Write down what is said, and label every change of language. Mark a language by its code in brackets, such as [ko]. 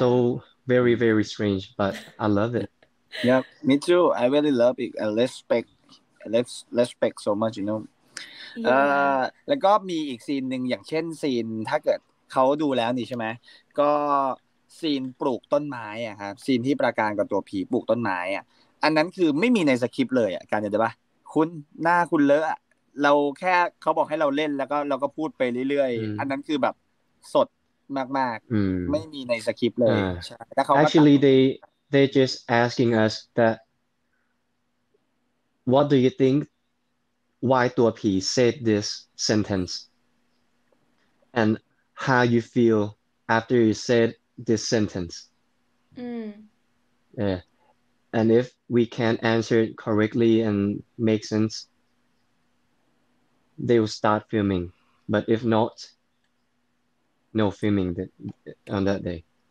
[en] So very, very strange, but I love it. Yeah, me too. I really love it. I respect so much, you know. Yeah. [th] แล้วก็มีอีกซีนหนึ่งอย่างเช่นซีนถ้าเกิดเขาดูแล้วนี่ใช่ไหมก็ซีนปลูกต้นไม้อ่ะครับซีนที่ประการกับตัวผีปลูกต้นไม้อ่ะอันนั้นคือไม่มีในสคริปต์เลยอ่ะการจะได้ปะคุณหน้าคุณเลอะเราแค่เขาบอกให้เราเล่นแล้วก็เราก็พูดไปเรื่อยๆอันนั้นคือแบบสดมากๆไม่มีในสคริปต์เลยใช่แล้วเขา [en] actually they just asking us that what do you think why ตัวผี said this sentence and how you feel after you said this sentence yeah and if we can't answer it correctly and make sense they will start filming but if notNo filming on that day.